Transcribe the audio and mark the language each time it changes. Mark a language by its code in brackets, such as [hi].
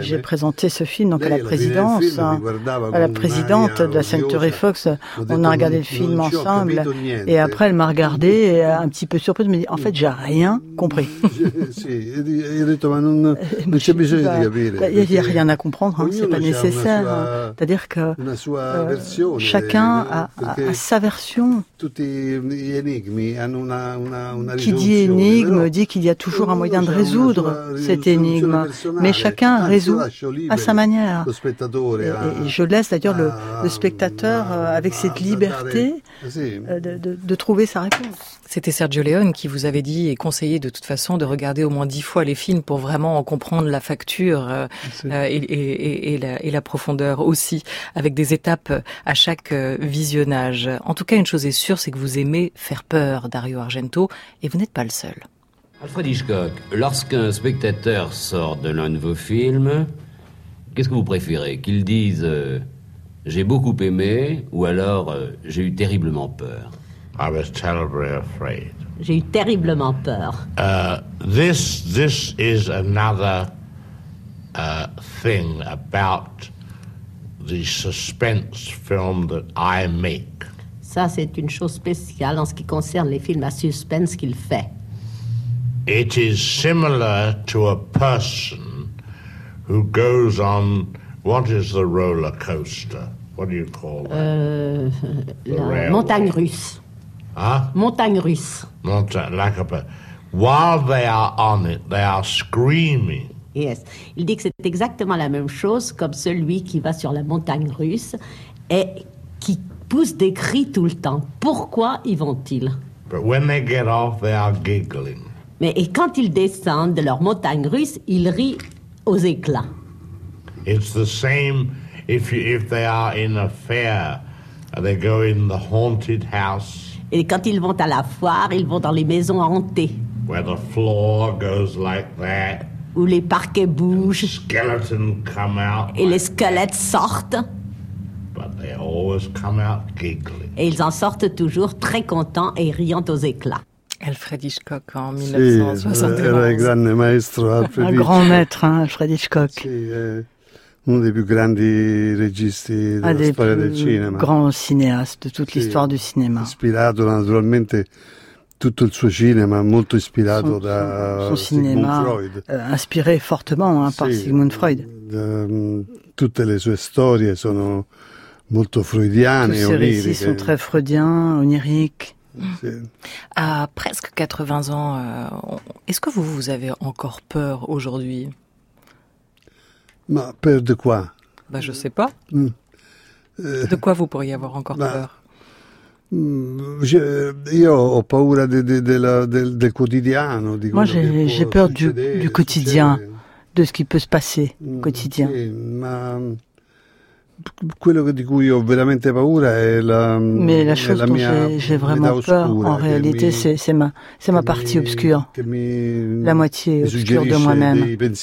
[fr] J'ai présenté ce film donc à la présidente de la Century Fox. On a regardé le film ensemble et après elle m'a regardé un petit peu surprise, mais en fait j'ai rien compris. [it] Sì, ho detto ma non c'è bisogno di capire. [fr] Il n'y a rien à comprendre. Nécessaire. C'est-à-dire que chacun a sa version. Qui dit énigme dit qu'il y a toujours un moyen de résoudre cette énigme. Mais chacun résout à sa manière. Et je laisse d'ailleurs le spectateur avec cette liberté de trouver sa réponse. C'était Sergio Leone qui vous avait dit et conseillé de toute façon de regarder au moins 10 fois les films pour vraiment en comprendre la facture et la profondeur aussi, avec des étapes à chaque visionnage. En tout cas, une chose est sûre, c'est que vous aimez faire peur, Dario Argento, et vous n'êtes pas le seul. Alfred Hitchcock, lorsqu'un spectateur sort de l'un de vos films, qu'est-ce que vous préférez? Qu'il dise « j'ai beaucoup aimé » ou alors « j'ai eu terriblement peur ». [en] I was terribly afraid. [fr] J'ai eu terriblement peur. [en] This is another thing about the suspense film that I make. [fr] Ça, c'est une chose spéciale en ce qui concerne les films à suspense qu'il fait. [en] It is similar to a person who goes on... What is the roller coaster? What do you call that? [fr] Montagne russe. Huh? Montagne russe. [en] While they are on it, they are screaming. Yes. [fr] Il dit que c'est exactement la même chose comme celui qui va sur la montagne russe et qui pousse des cris tout le temps. Pourquoi y vont-ils? [en] But when they get off, they are giggling. [fr] Mais et quand ils descendent de leur montagne russe, ils rient aux éclats. [en] It's the same if they are in a fair, they go in the haunted house. [fr] Et quand ils vont à la foire, ils vont dans les maisons hantées. [en] Where the floor goes like that. [fr] Où les parquets bougent. [en] Skeletons come out. [fr] Et les squelettes sortent. [en] But they always come out giggling. [fr] Et ils en sortent toujours très contents et riant aux éclats. Alfred Hitchcock en 1971. [it] Si, era il grande maestro Alfred [fr] Hitchcock. Un grand maître, hein, Alfred Hitchcock. [it] Si, uno dei più grandi registi della storia del cinema. [fr] Un grand cinéaste de toute l'histoire du cinéma. [it] Ispirato naturalmente tutto il suo cinema, molto ispirato da [fr] son cinéma, [it] Sigmund Freud. [fr] Inspiré fortement par Sigmund Freud. [it] Tutte le sue storie sono molto freudiane, oniriche. [fr] Tous ses récits sont très freudiens, oniriques. À presque 80 ans, est-ce que vous avez encore peur aujourd'hui? Ma peur de quoi? Ben, je ne sais pas. De quoi vous pourriez avoir encore peur? [it] Io ho paura del quotidiano. [fr] Moi, j'ai peur du quotidien, de ce qui peut se passer au quotidien. [it] Quello di cui ho veramente paura è la mia [fr] vraiment [it] metà oscura, [fr] peur, en réalité, c'est ma partie obscure, la moitié obscure de moi-même,